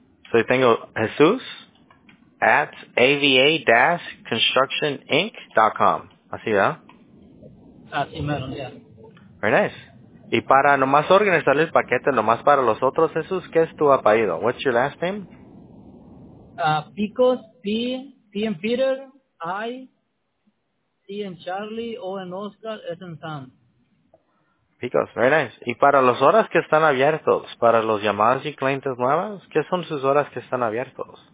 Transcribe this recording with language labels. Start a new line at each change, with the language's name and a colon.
English: So I
Spanish: tengo Jesús at ava-constructioninc.com. Así, ¿verdad? Así, yeah.
English: Very nice.
Spanish: Y para nomás organizar el paquete, nomás para los otros, Jesús, ¿qué es tu apellido?
English: What's your last name? Picos, P and Peter, I, C and Charlie, O and Oscar, S and Sam. Picos, very nice.
Spanish: Y para las horas que están abiertos, para los llamados y clientes nuevas, ¿qué son sus horas que están abiertos?